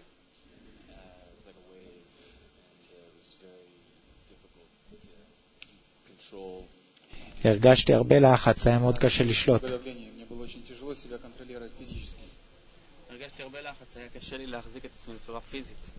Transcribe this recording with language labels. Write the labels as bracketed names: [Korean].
[English] It's like a wave and it was very difficult to control. [Hebrew] הרגשתי הרבה לחץ, היה מאוד קשה לשלוט. [Russian] Мне было очень тяжело себя контролировать физически. [Hebrew] הרגשתי הרבה לחץ, היה קשה לי להחזיק את עצמי בצורה פיזית.